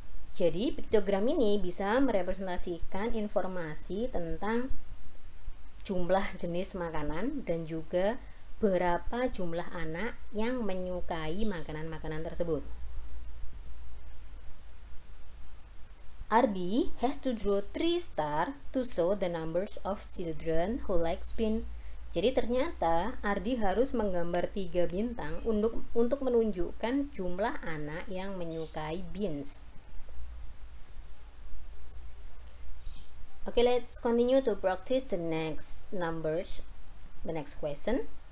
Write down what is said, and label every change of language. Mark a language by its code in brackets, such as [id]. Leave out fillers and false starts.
[id] Jadi, piktogram ini bisa merepresentasikan informasi tentang jumlah jenis makanan dan juga berapa jumlah anak yang menyukai makanan-makanan tersebut. [en] Arby has to draw three stars to show the numbers of children who like spin. [id] Jadi ternyata Ardi harus menggambar tiga bintang untuk menunjukkan jumlah anak yang menyukai beans. [en] Okay, let's continue to practice the next numbers, the next question.